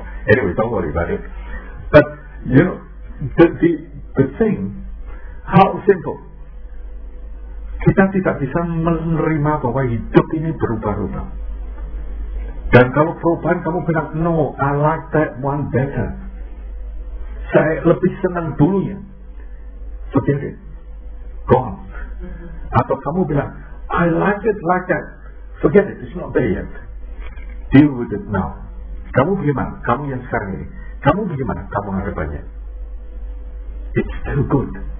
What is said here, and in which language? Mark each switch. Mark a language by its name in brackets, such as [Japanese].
[English] Anyway, don't worry about it. But, you know, the thing, how simple. [Indonesian] Kita tidak bisa menerima bahwa hidup ini berubah-ubah. Dan kalau perubahan kamu bilang, [English] no, I like that one better. [Indonesian] Saya lebih senang dulunya. [English] Forget it. Go on. [Indonesian] Atau kamu bilang, [English] I like that. Forget it, it's not there yet. Deal with it now. [Indonesian] Kamu bagaimana? Kamu yang sekarang ini. Kamu bagaimana? Kamu harapannya. [English] It's too good.